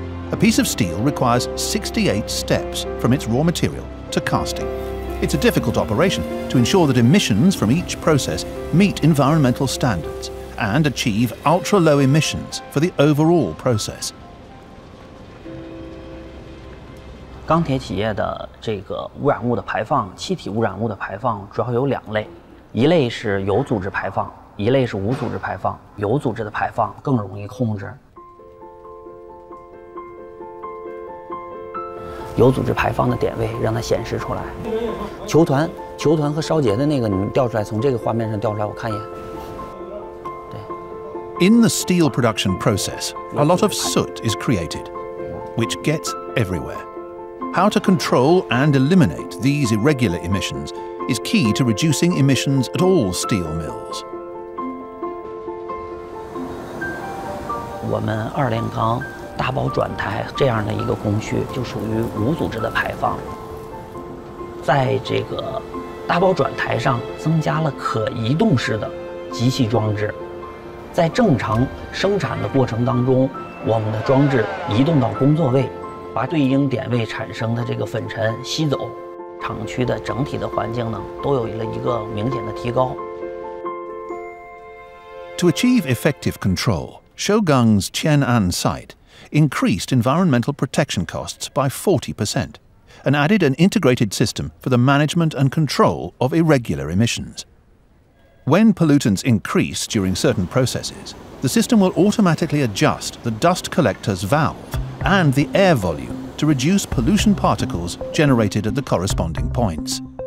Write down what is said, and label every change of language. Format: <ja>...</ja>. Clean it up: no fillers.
<en>A piece of steel requires 68 steps from its raw material to casting. It's a difficult operation to ensure that emissions from each process meet environmental standards and achieve ultra-low emissions for the overall process.</en> <zh>钢铁企业的这个污染物的排放，气体污染物的排放主要有两类，一类是有组织排放。一类是无组织排放，有组织的排放更容易控制。有组织排放的点位让它显示出来。球团和烧结的那个，你们调出来，从这个画面上调出来，我看一眼。对。</zh> <en>In the steel production process, a lot of soot is created, which gets everywhere. How to control and eliminate these irregular emissions is key to reducing emissions at all steel mills.</en> <zh>我们二炼钢大包转台这样的一个工序就属于无组织的排放，在这个大包转台上增加了可移动式的机器装置，在正常生产的过程当中，我们的装置移动到工作位，把对应点位产生的这个粉尘吸走，厂区的整体的环境呢都有了一个明显的提高。</zh> <en>To achieve effective controlShougang's Qian'an site increased environmental protection costs by 40% and added an integrated system for the management and control of irregular emissions. When pollutants increase during certain processes, the system will automatically adjust the dust collector's valve and the air volume to reduce pollution particles generated at the corresponding points.</en>